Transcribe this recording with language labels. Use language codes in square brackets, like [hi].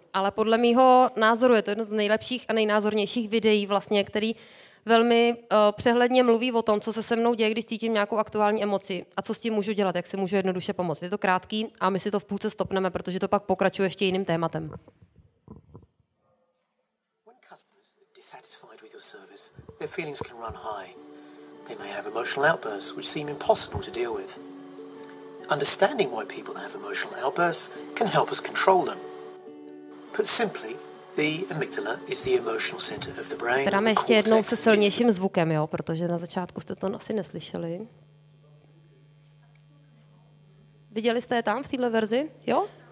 [cs] Ale podle mýho názoru je to jedno z nejlepších a nejnázornějších videí, vlastně, který velmi přehledně mluví o tom, co se se mnou děje, když cítím nějakou aktuální emoci a co s tím můžu dělat, jak si můžu jednoduše pomoct. Je to krátký a my si to v půlce stopneme, protože to pak pokračuje ještě jiným tématem. [en] When customers are dissatisfied with your service, their feelings can run high. They may have emotional outbursts which seem impossible to deal with. Understanding why people have emotional outbursts can help us control them. Put simply, the amygdala is the emotional center of the brain. [cs] Dáme ještě jednou se silnějším zvukem, jo, protože na začátku jste to asi neslyšeli. Viděli jste je tam v téhle verzi, jo?